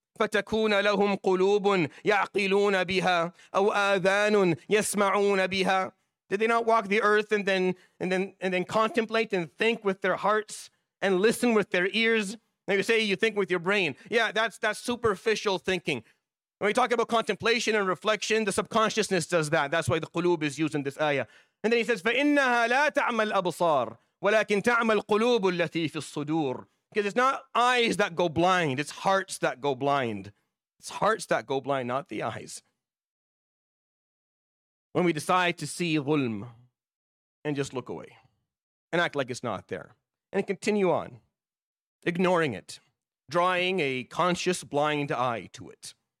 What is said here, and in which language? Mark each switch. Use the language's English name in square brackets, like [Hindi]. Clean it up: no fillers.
[Arabic] فَتَكُونَ لَهُمْ قُلُوبٌ يَعْقِلُونَ بِهَا أَوْ آذَانٌ يَسْمَعُونَ بِهَا. [English] Did they not walk the earth and then contemplate and think with their hearts and listen with their ears? Now you say you think with your brain. Yeah, that's superficial thinking. When we talk about contemplation and reflection, the subconsciousness does that. That's why the qulub is used in this ayah. And then he says, [Arabic] فَإِنَّهَا لَا تَعْمَ الْأَبْصَارِ وَلَكِنْ تَعْمَ الْقُلُوبُ الَّتِي فِي الصُّدُورِ. [English] Because it's not eyes that go blind, it's hearts that go blind. It's hearts that go blind, not the eyes. When we decide to see ظلم and just look away and act like it's not there and continue on, ignoring it, drawing a conscious blind eye to it.